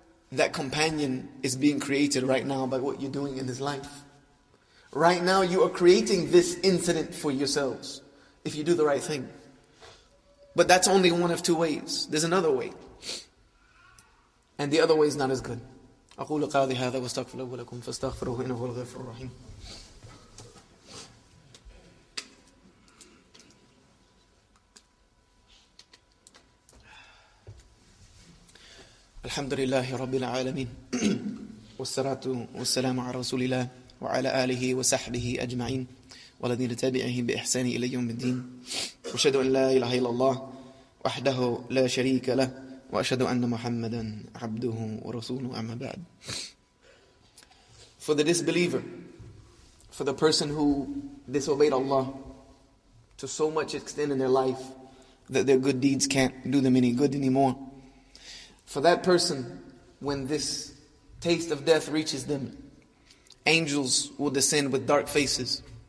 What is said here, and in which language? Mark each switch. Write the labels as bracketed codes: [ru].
[en] That companion is being created right now by what you're doing in this life. Right now you are creating this incident for yourselves, if you do the right thing. But that's only one of two ways. There's another way. And the other way is not as good. [ar] أقول قاضي هذا واستغفر له ولكم فاستغفروه إنه هو الغفور الرحيم. الحمد لله رب العالمين والصلاة والسلام على رسول الله وعلى آله وصحبه أجمعين والذين تبعهم بإحسان إلى يوم الدين وأشهد أن لا إله إلا الله وحده لا شريك له وأشهد أن محمدا عبده ورسوله أما بعد. [en] For the disbeliever, for the person who disobeyed Allah to so much extent in their life that their good deeds can't do them any good anymore. For that person, when this taste of death reaches them, angels will descend with dark faces.